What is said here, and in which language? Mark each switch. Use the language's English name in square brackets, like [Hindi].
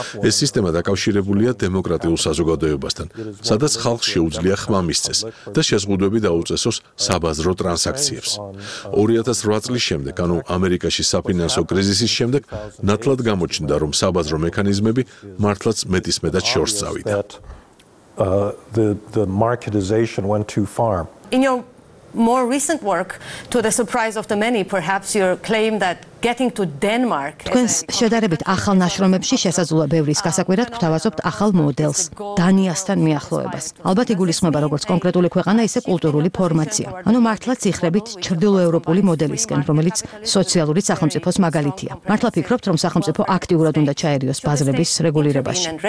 [Georgian] ეს სისტემა დაკავშირებულია დემოკრატიულ საზოგადოებასთან, სადაც ხალხს შეუძლია ხმა მისცეს და შეზღუდვები დაუწესოს საბაზრო ტრანზაქციებს. 2008 წლის შემდეგ, ანუ ამერიკაში საფინანსო კრიზისის შემდეგ, ნათლად გამოჩნდა, რომ საბაზრო მექანიზმები მართლაც მეტისმეტად შორს წავიდა. [English] The marketization went too far. In your more recent work, to the surprise of the many, perhaps your claim that getting to Denmark. [Georgian] თქვენს შედარებით ახალ ნაშრომებში შესაძლოა ბევრის გასაკვირად გვთავაზობთ ახალ მოდელს, დანიასთან მიახლოებას. ალბათ იგულისხმება როგორც კონკრეტული ქვეყანა, ისე კულტურული ფორმაცია. ანუ მართლაც იხრებით ჩრდილოევროპული მოდელისკენ, რომელიც სოციალური სახელმწიფოს მაგალითია. მართლა ფიქრობთ, რომ სახელმწიფო აქტიურად უნდა ჩაერიოს ბაზრების რეგულირებაში?